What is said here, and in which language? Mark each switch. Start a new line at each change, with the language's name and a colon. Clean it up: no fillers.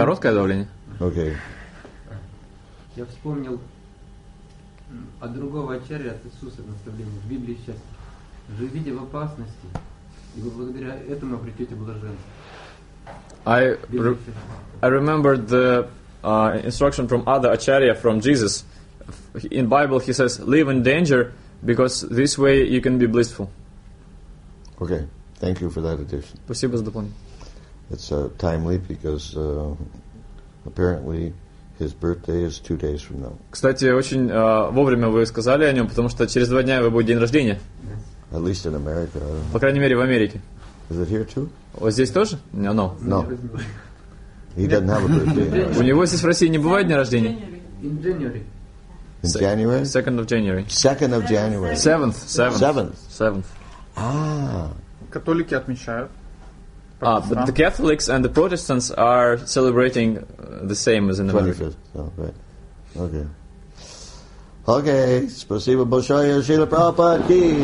Russian: Короткое добавление.
English: Okay.
Russian: Я вспомнил от другого ачарья, от Иисуса, наставление в Библии сейчас. Живите в опасности, и вы благодаря этому обретете блаженство.
English: I remember the instruction from other acharya, from Jesus. In Bible he says, live in danger, because this way you can be blissful. Okay, thank you for that addition.
Russian: Спасибо за дополнение.
English: It's timely, because apparently his birthday is 2 days from now.
Russian: Кстати, очень вовремя вы сказали о нем, потому что через 2 дня его будет день рождения.
English: Yes. At least in America, I don't know.
Russian: По крайней мере, в Америке.
English: Is it here too?
Russian: Вот здесь тоже?
English: No. No. No. He doesn't have a birthday.
Russian: У него здесь в России не бывает дня рождения?
English: In January. In January? Second of January. Second of January. Seventh. Seventh. Seventh.
Russian: Католики отмечают.
English: Ah, but the Catholics and the Protestants are celebrating the same as in America. 25th. Oh, right. Okay. Okay.
Russian: Спасибо большое, Шрила Прабхупада ки.